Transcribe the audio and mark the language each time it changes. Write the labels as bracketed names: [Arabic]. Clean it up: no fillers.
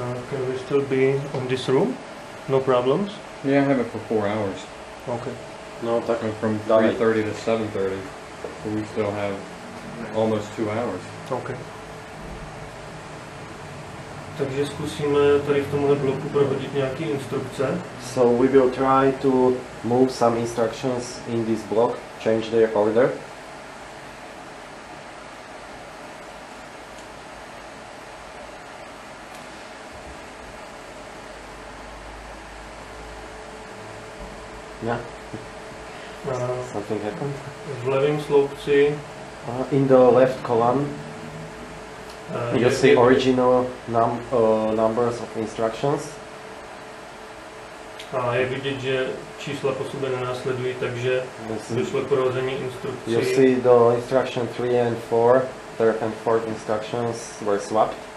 [English] Can we still be on this room? No problems? Yeah, I have it for 4 hours. Okay. No, talking from 3:30 to 7:30. But we still have almost 2 hours. Okay. [Czech] Takže zkusíme tady v tomhle bloku prohodit nějaký instrukce. [English] So we will try to move some instructions in this block, change their order. Yeah. Something happened. [Czech] V levém sloupci. [English] In the left column. You see original numbers of instructions. [Czech] A je vidět, že čísla po sobě nenásledují, takže došlo k prohození instrukcí. [English] You see the instruction 3 and 4, third and fourth instructions were swapped.